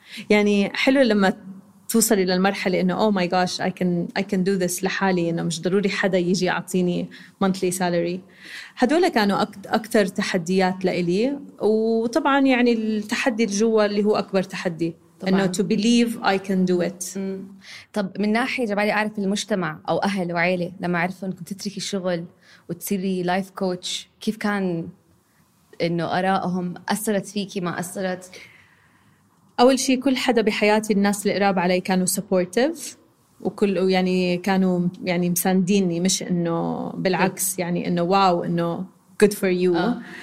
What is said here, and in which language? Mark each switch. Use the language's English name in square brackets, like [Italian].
[Arabic] يعني حلو لما توصلي للمرحلة إنه [English] oh my gosh I can do this [Arabic] لحالي، إنه مش ضروري حدا يجي يعطيني [English] monthly salary. [Arabic] هدول كانوا أكتر تحديات لإلي. وطبعا يعني التحدي الجوا اللي هو أكبر تحدي طبعاً. إنه [English] to believe I can do it. [Arabic] طب من ناحية جبالي أعرف المجتمع أو أهل وعيلة لما عرفوا إنك تتركي الشغل وتصيري life coach، كيف كان إنه آرائهم؟ أثرت فيكي ما أثرت؟ أول شيء كل حدا بحياتي، الناس اللي قراب علي كانوا supportive، وكل يعني كانوا يعني مسانديني، مش إنه بالعكس، يعني إنه واو إنه [English] good for you.